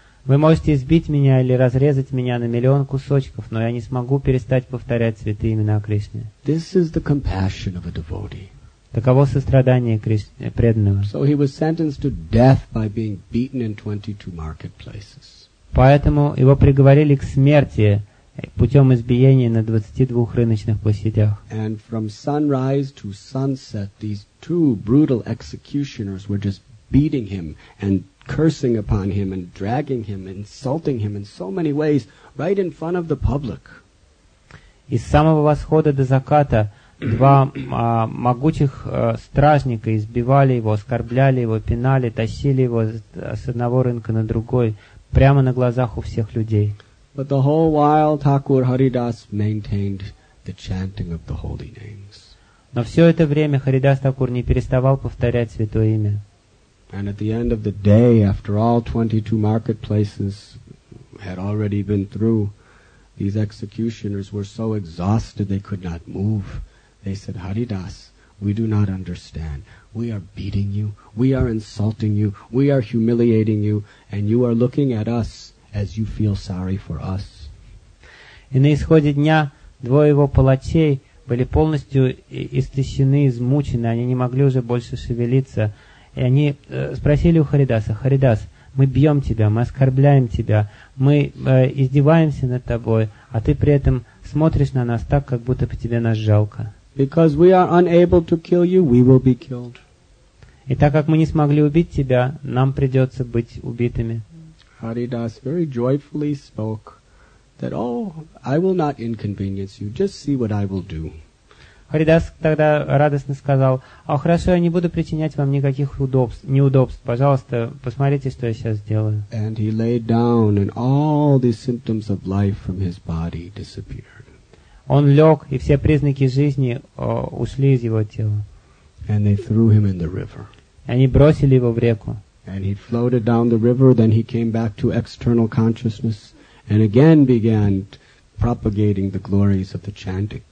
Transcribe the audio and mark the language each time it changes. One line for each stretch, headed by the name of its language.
Russian: Вы можете избить меня или разрезать меня на миллион кусочков, но я не смогу перестать повторять святые имена Кришны.
English: This is the compassion of a devotee.
Russian: Таково сострадание преданного.
English: So he was sentenced to death by being beaten in 22 marketplaces.
Russian: Поэтому его приговорили к смерти путем избиения на 22 рыночных площадях.
English: And from sunrise to sunset, these two brutal executioners were just beating him and cursing upon him and dragging him, insulting him in so many ways, right in front of the public.
Russian: И с самого восхода до заката два могучих стражника избивали его, оскорбляли его, пинали, тащили его с одного рынка на другой, прямо на глазах у всех людей.
English: But the whole while, Thakur Haridas maintained the chanting of the holy names.
Russian: Но все это время Харидас Такур не переставал повторять святое имя.
English: And at the end of the day, after all 22 marketplaces had already been through, these executioners were so exhausted they could not move. They said, Haridas, we do not understand. We are beating you. We are insulting you. We are humiliating you. And you are looking at us as you feel sorry for us.
Russian: И на исходе дня двое его палачей были полностью истощены, измучены. Они не могли уже больше шевелиться. И они спросили у Харидаса, «Харидас, мы бьем тебя, мы оскорбляем тебя, мы издеваемся над тобой, а ты при этом смотришь на нас так, как будто бы тебе нас жалко».
English: Because we are unable to kill you, we will be killed.
Russian: И так как мы не смогли убить тебя, нам придется быть убитыми.
English: Haridas very joyfully spoke that, oh, I will not inconvenience you, just see what I will do.
Russian: Харидас тогда радостно сказал, «О, хорошо, я не буду причинять вам никаких неудобств. Пожалуйста, посмотрите, что я сейчас сделаю».
English: And he lay down, and all the symptoms of life from his body disappeared.
Russian: Он лег, и все признаки жизни ушли из его тела.
English: And they threw him in the river.
Russian: И они бросили его в реку.
English: And he floated down the river, then he came back to external consciousness, and again began propagating the glories of the chanting.